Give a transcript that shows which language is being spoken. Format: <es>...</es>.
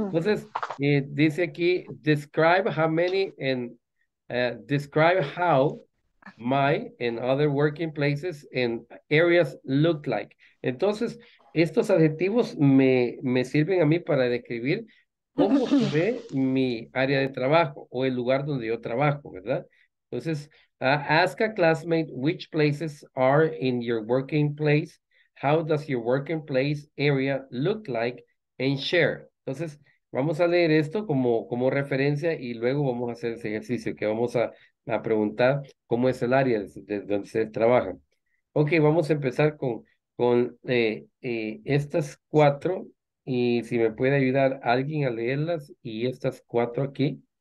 <es>Ok, entonces dice aquí,</es> <en>describe how my and other working places and areas look like.</en> <es>Entonces, estos adjetivos me sirven a mí para describir cómo se ve mi área de trabajo o el lugar donde yo trabajo, ¿verdad?</es> <en>Entonces, ask a classmate which places are in your working place, how does your working place area look like, and share.</en> <es>Entonces, vamos a leer esto como referencia y luego vamos a hacer ese ejercicio que vamos a preguntar cómo es el área de donde se trabaja. Ok, vamos a empezar con estas cuatro y si me puede ayudar alguien a leerlas y estas cuatro aquí.</es>